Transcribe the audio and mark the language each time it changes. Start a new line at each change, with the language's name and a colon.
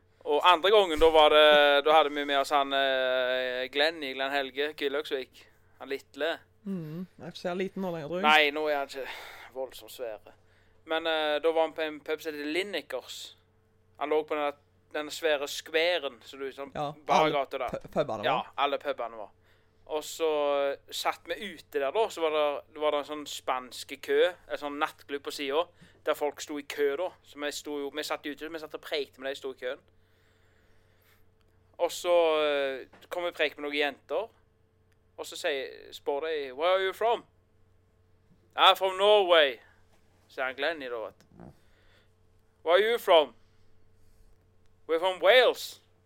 Norwegian: Og andre gangen, da hadde vi med oss han Glenn Helge, Kylløksvik. Han litle. Mm, jeg ser liten nå lenger, tror jeg. Nei, nå er han ikke voldsomt svære. Men da var han på en pub som heter Linnikers. Han lå på den der den svære skveren, så du sånn ja, bargater der. Pubene var. Ja, alle pubene var. Og så satt vi ute der da, så var det, var det en sånn spanske kø, en sånn nattklubb på siden, der folk sto i kø da. Så vi sto jo, vi satt ute, vi satt og prekte med dem, sto i køen. Og så kom vi prek med noen jenter, og så spør de,
English: where are you from? I'm from Norway,
Norwegian: sier han Glenny da, vet du.
English: Where are you from? We're from Wales.